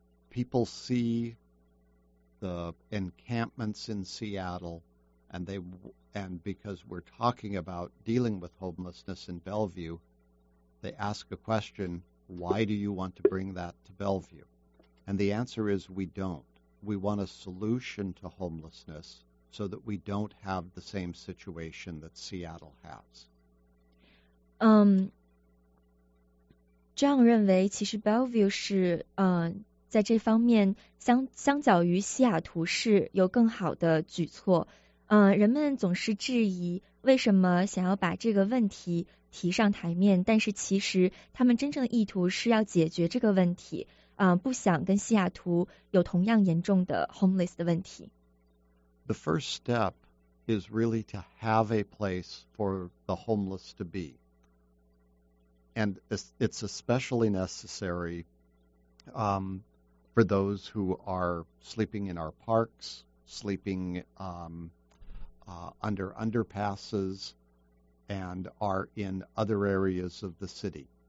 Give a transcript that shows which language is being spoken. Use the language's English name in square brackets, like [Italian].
[English] People see the encampments in Seattle, and because we're talking about dealing with homelessness in Bellevue, they ask a question, why do you want to bring that to Bellevue? And the answer is, we don't. We want a solution to homelessness so that we don't have the same situation that Seattle has. [Chinese] 这样认为其实 Bellevue 是在这方面相较于西雅图是有更好的举措，人们总是质疑为什么想要把这个问题提上台面，但是其实他们真正意图是要解决这个问题，不想跟西雅图有同样严重的 homeless 的问题。 [English] The first step is really to have a place for the homeless to be. And it's especially necessary for those who are sleeping in our parks, sleeping under underpasses, and are in other areas of the city.